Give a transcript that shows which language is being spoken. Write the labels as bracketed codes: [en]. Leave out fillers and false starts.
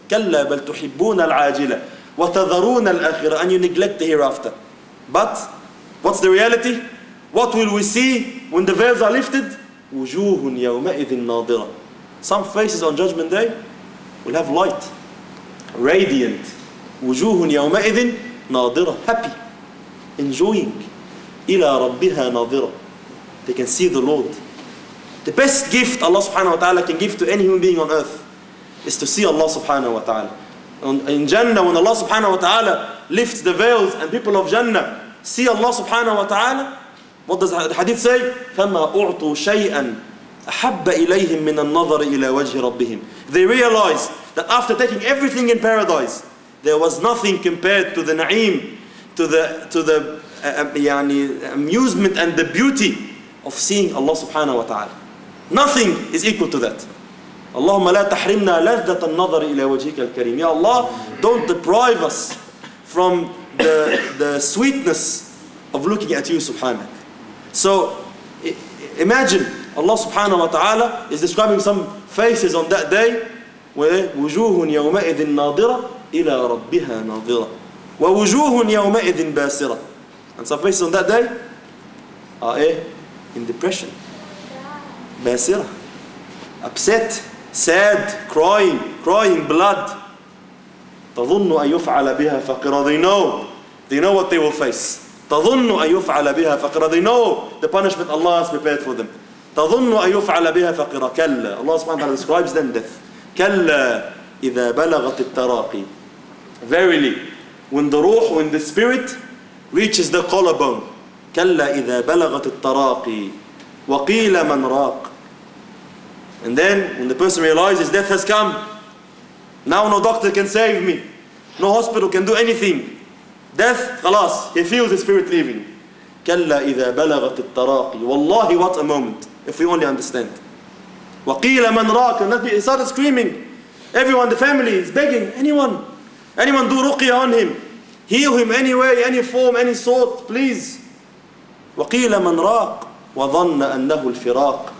[ar] كلا بل تحبون العاجلة وتذرون الآخرة. [en] And you neglect the hereafter. But what's the reality? What will we see when the veils are lifted? [ar] وجوه يومئذ ناضرة. [en] Some faces on Judgment Day will have light, radiant. [ar] وجوه يومئذ ناضرة. [en] Happy, enjoying. [ar] إلى ربها ناظرة. [en] They can see the Lord. The best gift Allah subhanahu wa ta'ala can give to any human being on earth is to see Allah subhanahu wa ta'ala. In Jannah, when Allah subhanahu wa ta'ala lifts the veils and people of Jannah see Allah subhanahu wa ta'ala, what does the hadith say? [ar] فَمَا أُعْطُوا شَيْئًا أَحَبَّ إِلَيْهِمْ مِنَ النَّظَرِ إِلَى وَجْهِ رَبِّهِمْ. [en] They realized that after taking everything in paradise, there was nothing compared to the na'im, to the يعني amusement and the beauty of seeing Allah subhanahu wa ta'ala. Nothing is equal to that. [ar] اللهم لا تحرمنا لذة النظر إلى وجهك الكريم. [en] Ya Allah, don't deprive us from the sweetness of looking at you subhanahu. So imagine Allah subhanahu wa ta'ala is describing some faces on that day where [ar] وجوه يومئذ ناظرة إلى ربها ناظرة ووجوه يومئذ باسرة. [en] And some faces on that day are in depression, باسرة, upset, sad, crying blood. [ar] تظن أن يفعل بها فقرة. [en] They know what they will face. [ar] تظن أن يفعل بها فقرة. [en] They know the punishment Allah has prepared for them. [ar] تظن أن يفعل بها فقرة. كلا. [en] Allah subhanahu wa ta'ala describes them death. [ar] كلا إذا بلغت التراقي. [en] Verily, when the ruh, when the spirit reaches the collarbone. [ar] كلا إذا بلغت التراقي وقيل من راق. [en] And then when the person realizes death has come, now no doctor can save me, no hospital can do anything. Death, خلاص, he feels the spirit leaving. [ar] كلا إذا بلغت التراقي. [en] والله, what a moment, if we only understand. [ar] وقيل من راق. [en] And that, he started screaming. Everyone, the family is begging, anyone do ruqya on him. Heal him any way, any form, any sort, please. [ar] وقيل من راق وظن أنه الفراق.